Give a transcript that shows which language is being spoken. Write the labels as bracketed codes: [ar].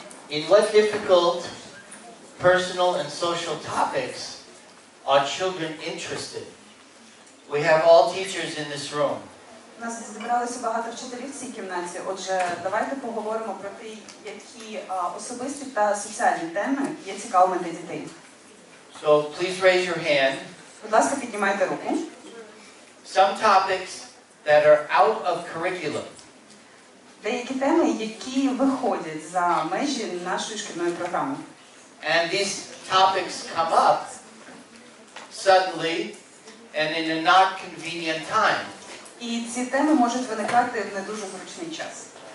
[en] In what difficult personal and social topics are children interested? We have all teachers in this room. [uk] Нас зібралося багато вчителів в цій кімнаті. Отже, давайте поговоримо про те, які особисті та соціальні теми є цікавими для дітей. [en] So please raise your hand. [uk] Будь ласка, піднімайте руку. [en] Some topics that are out of curriculum. [uk] Деякі теми, які виходять за межі нашої шкільної програми. [en] And these topics come up suddenly and in a not convenient time. [uk] І ці теми можуть виникати в не дуже зручний час.